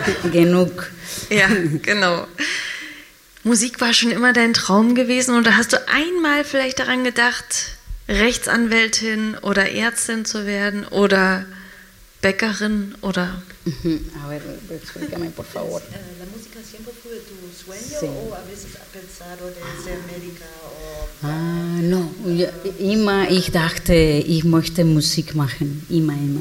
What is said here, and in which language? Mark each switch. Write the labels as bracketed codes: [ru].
[de] Genug. Ja, genau. Musik war schon immer dein Traum gewesen oder hast du einmal vielleicht daran gedacht, Rechtsanwältin oder Ärztin zu werden oder Bäckerin oder? [es] A ver, explícame, por favor. La música siempre fue tu sueño o a veces has pensado de ser médica o... [de] No, immer ich dachte, ich möchte Musik machen, immer.